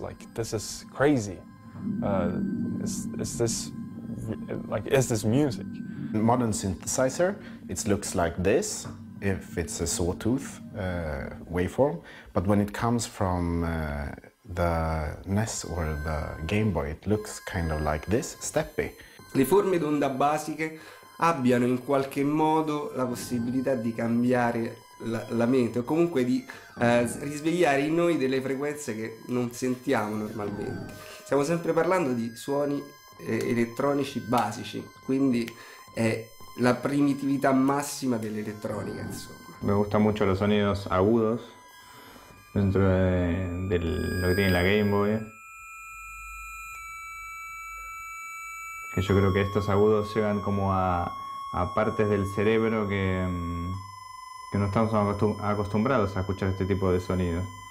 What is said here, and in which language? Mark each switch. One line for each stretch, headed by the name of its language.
English: Like, this is crazy. Is this music? Modern synthesizer, it looks like this, if it's a sawtooth waveform. But when it comes from the NES or the Game Boy, it looks kind of like this, steppy.
Italian: Le forme d'onda basiche abbiano in qualche modo la possibilità di cambiare la mente, o comunque di risvegliare in noi delle frequenze che non sentiamo normalmente. Stiamo sempre parlando di suoni elettronici basici, quindi è la primitività massima dell'elettronica, insomma.
Spanish: Me gustan mucho los sonidos agudos dentro de lo que tiene la Game Boy. Yo creo que estos agudos llegan como a partes del cerebro que no estamos acostumbrados a escuchar este tipo de sonido.